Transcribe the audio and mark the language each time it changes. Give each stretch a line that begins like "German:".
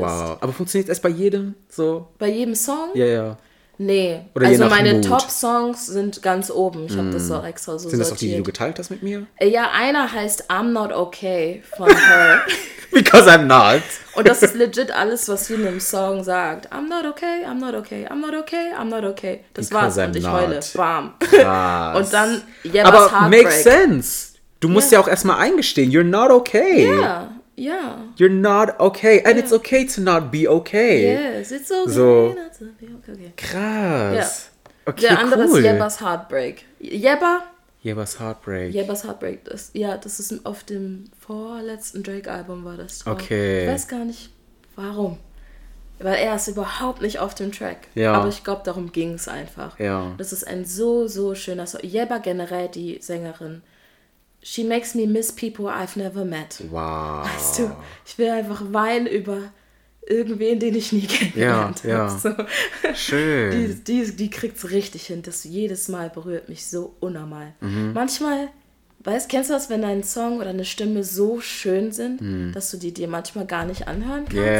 German: Wow, aber funktioniert es erst bei jedem so? Bei jedem Song? Ja, ja. Nee, oder also meine Mut. Top-Songs sind ganz oben. Ich habe das so extra so sortiert. Sind das auch die, die du geteilt hast mit mir? Ja, einer heißt I'm Not Okay von her.
English: Because I'm not.
German: Und das ist legit alles, was sie in dem Song sagt.
English: I'm not okay, I'm not okay, I'm not okay, I'm not okay.
German: Das war's. Und ich heule. Bam. Krass. Und dann, yeah, aber makes sense. Du musst ja auch erstmal eingestehen. You're not okay.
English: Yeah, yeah. You're not okay. And it's okay to not be okay. Yes, it's okay so. Not to be okay.
German: Krass. Yeah. Okay, der andere ist Jebba's Heartbreak. Jebba's Heartbreak. Jebba's Heartbreak. Das, ja, das ist auf dem vorletzten Drake-Album war das. Drauf. Okay. Ich weiß gar nicht, warum. Weil er ist überhaupt nicht auf dem Track. Ja. Aber ich glaube, darum ging es einfach. Ja. Das ist ein so, so schöner Song. Jebba generell, die Sängerin.
English: She makes me miss people I've never met. Wow.
German: Weißt du, ich will einfach weinen über irgendwen, den ich nie kennengelernt habe. Ja, hab. So. Schön. Die kriegt es richtig hin, das jedes Mal berührt mich so unnormal. Mhm. Manchmal, weißt, kennst du das, wenn dein Song oder eine Stimme so schön sind, dass du die dir manchmal gar nicht anhören kannst?